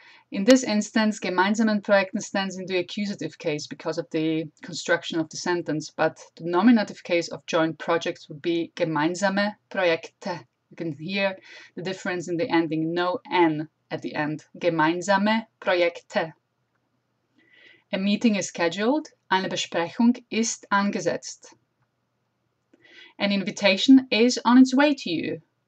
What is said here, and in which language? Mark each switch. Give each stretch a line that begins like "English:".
English: In this instance,
German: gemeinsamen Projekten
English: stands in the accusative case because of the construction of the sentence, but the nominative case of joint projects would be
German: gemeinsame Projekte.
English: You can hear the difference in the ending, no N at the end.
German: Gemeinsame Projekte.
English: A meeting is scheduled,
German: eine Besprechung ist angesetzt.
English: An invitation is on its way to you.